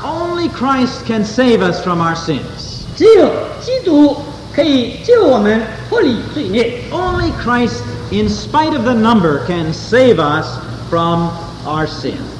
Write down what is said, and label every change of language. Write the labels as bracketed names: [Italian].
[English] Only Christ can save us from our sins. [Chinese] 只有基督可以救我们脱离罪孽。 [English] Only Christ, in spite of the number, can save us from our sins.